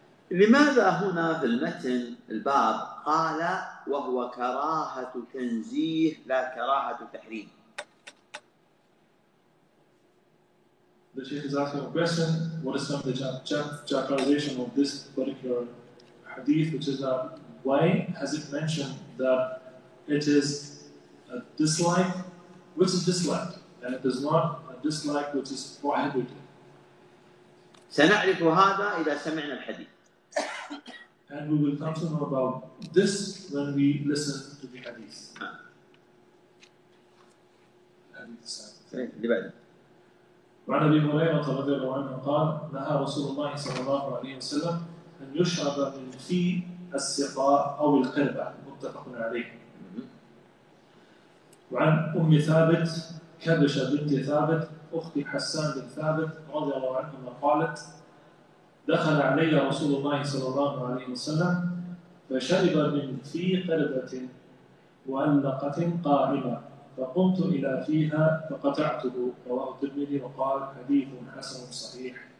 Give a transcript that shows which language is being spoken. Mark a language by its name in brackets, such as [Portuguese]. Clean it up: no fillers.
[Arabic] لماذا هنا في المتن الباب قال وهو كراهة تنزيه لا كراهة تحريم؟ [English] The Sheikh is asking a question. What is the chapterization of this particular hadith, which is that why has it mentioned that it is a dislike, which is disliked, and it is not a dislike which is prohibited. [Arabic] سنعرف هذا إذا سمعنا الحديث. [English] And we will come to know about this when we listen to the hadith. Hadith. [Arabic] عن أبي هريرة رضي الله عنه قال نهى رسول الله صلى الله عليه وسلم أن يشرب من في السقاء أو القربة متفق عليه. وعن أم ثابت كبشة بنت ثابت أخت حسان بن ثابت رضي الله عنهما قالت دخل علي رسول الله صلى الله عليه وسلم فشرب من في قربة معلقة قائمة فقمت إلى فيها فقطعته رواه الترمذي وقال حديث حسن صحيح